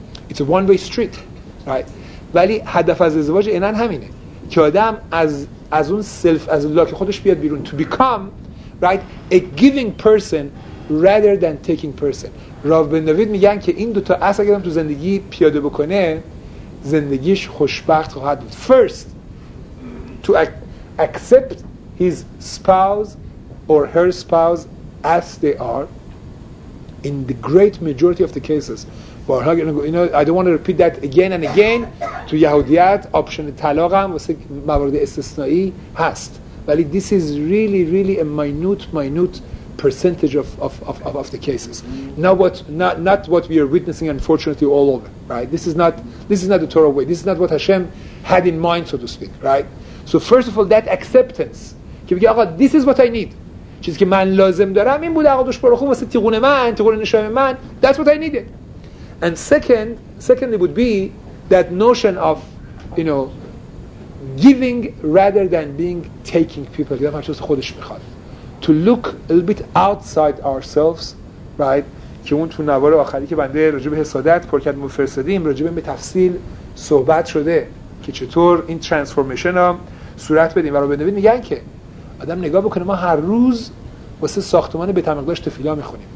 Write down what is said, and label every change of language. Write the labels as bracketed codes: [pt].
[en] It's a one way street right. [fa] ولی هدف از ازدواج اینن همینه که آدم از اون سلف از لاک خودش بیاد بیرون [en] to become right a giving person rather than taking person. [fa] راو بن داوید میگن که این دوتا اصل اگر تو زندگی پیاده بکنه زندگیش خوشبخت خواهد بود. [en] First to accept his spouse or her spouse as they are in the great majority of the cases. [fa] بارها گرنه گوه اینا [en] I don't want to repeat that again and again. [fa] تو یهودیت آپشن طلاق هم واسه موارد استثنائی هست ولی [en] this is really really a minute percentage of the cases. Not what we are witnessing unfortunately all over right. This is not the Torah way. This is not what Hashem had in mind so to speak right. So first of all that acceptance [fa] که بگه آقا [en] this is what I need [fa] چیزی که من لازم دارم این بود آقا دوش پرخون واسه تیغون من تیغون نشام من [en] that's what I needed. And secondly would be that notion of, you know, giving rather than being taking people. To look a little bit outside ourselves, right? [fa] که اون تو نوار آخری که بنده راجب حسادت پر کردم و فرستادیم راجب به تفصیل صحبت شده که چطور این ترانسفورمیشن ها صورت بدیم. و رو بنوید میگن که آدم نگاه بکنه ما هر روز واسه ساختمان بیت المقدس تفیلا میخونیم.